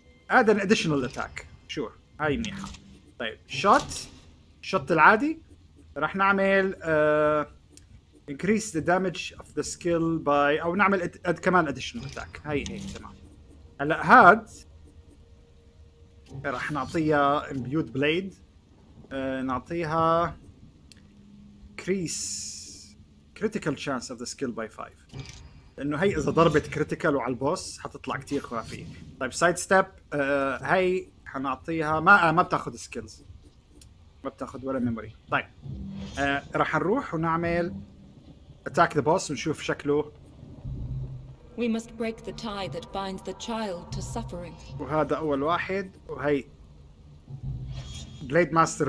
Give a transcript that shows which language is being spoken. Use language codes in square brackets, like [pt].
[en] add an additional attack. [ar] sure. هاي منيحة. طيب شوت العادي راح نعمل [en] increase the damage of the skill by [ar] او نعمل [en] add [ar] كمان [en] additional attack. [ar] هاي تمام. هلا هاد راح نعطيها imbued blade نعطيها [en] increase critical chance of the skill by 5 [ar] لانه هي اذا ضربت critical وعلى البوس حتطلع كثير خرافيه. طيب سايد ستيب هاي حنعطيها ما بتاخذ سكيلز ما بتاخذ ولا ميموري. طيب راح نروح ونعمل [en] attack the boss [ar] ونشوف شكله. [en] We must break the tie that binds the child to suffering. [ar] وهذا أول واحد وهي بليد ماستر.